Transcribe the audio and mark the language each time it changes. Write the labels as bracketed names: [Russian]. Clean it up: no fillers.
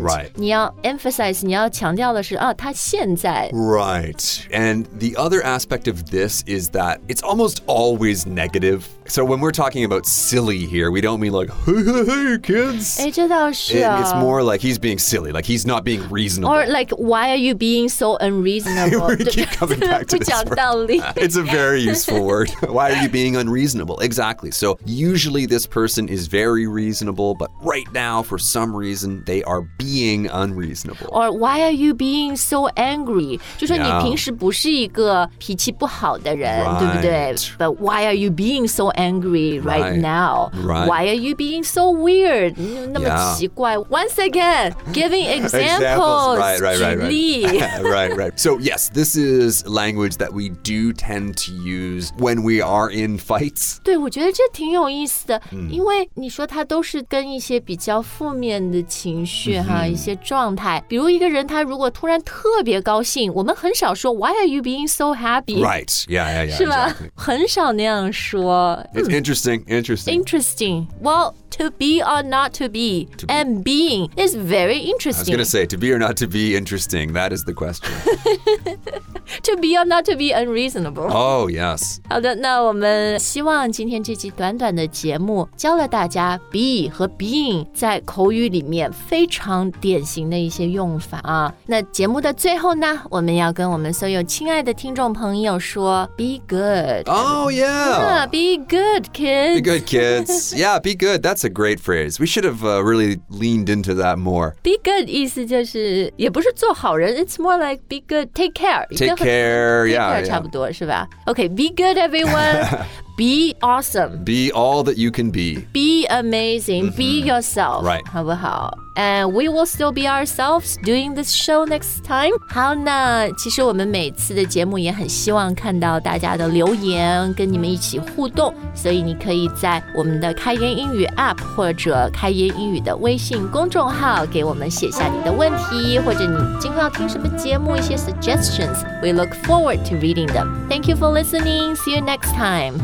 [English] right. [Chinese] 你要 emphasize 你要强调的是、啊、他现在 [English] right and the other aspect of this is that it's almost always negative so when we're talking about silly here we don't mean like hey hey hey kids [Chinese] 哎这倒是、啊、 [English] it's more like he's being silly like he's not being reasonable or like why are you being so unreasonable we keep coming back to this [Chinese] 不讲道理 [English] it's a very useful word. Why are you being unreasonable? Exactly. So usually this person is very reasonable, but right now, for some reason, they are being unreasonable. Or why are you being so angry? [Chinese] 就说你平时不是一个脾气不好的人、 [English] right. [Chinese] 对不对 [English] But why are you being so angry right, right. now? Right. Why are you being so weird? [Chinese] 那么奇怪 [English] Once again, giving examples. Right, right, right. Right. right, right. So yes, this is language that we do tend to use when we are in fights. [Chinese] 对，我觉得这挺有意思的，因为你说他都是跟一些比较负面的情绪哈，一些状态。比如一个人他如果突然特别高兴，我们很少说 [English] Why are you being so happy? Right. Yeah, yeah, yeah. [Chinese] 是吧？ [English] Exactly. [Chinese] 很少那样说。 [English] It's interesting. Interesting. Interesting. Well. To be or not to be, to be, and being is very interesting. I was going to say, to be or not to be interesting, that is the question. to be or not to be unreasonable. Oh, yes. [Chinese] 好的，那我们希望今天这期短短的节目教了大家 be 和 being 在口语里面非常典型的一些用法啊。那节目的最后呢，我们要跟我们所有亲爱的听众朋友说 [English] be good. Oh, yeah. Yeah, be good, kids. Be good, kids. Yeah, be good. That's a great phrase. We should have really leaned into that more. Be good [Chinese] 意思就是也不是做好人， [English] it's more like be good, take care. Take care, yeah. Take care [Chinese] 差不多是吧？ [English] Okay, be good, everyone. Be awesome. Be all that you can be. Be amazing. Mm-hmm. Be yourself. Right. [Chinese] 好不好？ [English] And we will still be ourselves doing this show next time. [Chinese] 好，那其实我们每次的节目也很希望看到大家的留言，跟你们一起互动。所以你可以在我们的开言英语 app 或者开言英语的微信公众号给我们写下你的问题，或者你今后要听什么节目一些 suggestions. [English] We look forward to reading them. Thank you for listening. See you next time.